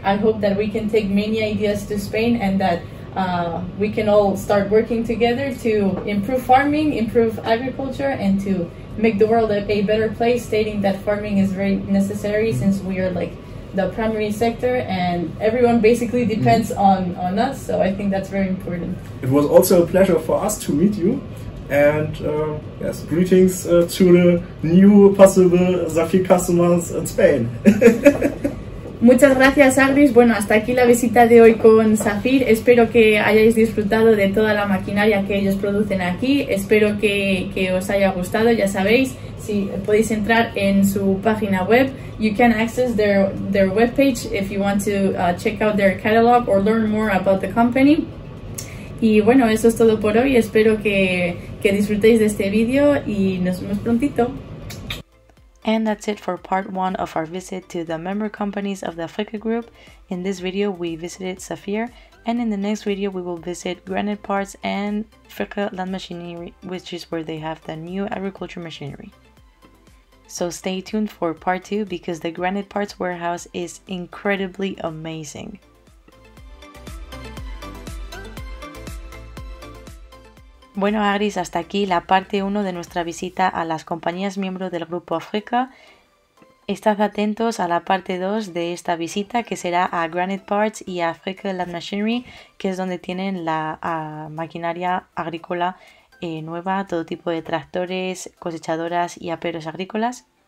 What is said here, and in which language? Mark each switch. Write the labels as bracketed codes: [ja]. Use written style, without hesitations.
[en] I hope that we can take many ideas to Spain and that we can all start working together to improve farming, improve agriculture, and to make the world a better place, stating that farming is very necessary since we are like the primary sector and everyone basically depends on us. So I think that's very important. It was also a pleasure for us to meet you. And yes, greetings to the new possible SAPHIR customers in Spain. [es] Muchas gracias, Agris. Bueno, hasta aquí la visita de hoy con SAPHIR. Espero que hayáis disfrutado de toda la maquinaria que ellos producen aquí. [en] Espero que os haya gustado. Ya sabéis, si podéis entrar en su página web, you can access their webpage if you want to check out their catalog or learn more about the company. [es] Y bueno, eso es todo por hoy. Espero que disfrutéis de este vídeo y nos vemos prontito. [en] And that's it for part one of our visit to the member companies of the Fricke Gruppe. In this video, we visited SAPHIR, and in the next video, we will visit Granite Parts and Fricke Landmaschinerie, which is where they have the new agriculture machinery. So stay tuned for part two, because the Granite Parts warehouse is incredibly amazing. [es] Bueno, Agris, hasta aquí la parte 1 de nuestra visita a las compañías miembro del Grupo Fricke. Estad atentos a la parte 2 de esta visita, que será a Granite Parts y a Fricke Landmaschinerie, que es donde tienen la maquinaria agrícola nueva, todo tipo de tractores, cosechadoras y aperos agrícolas.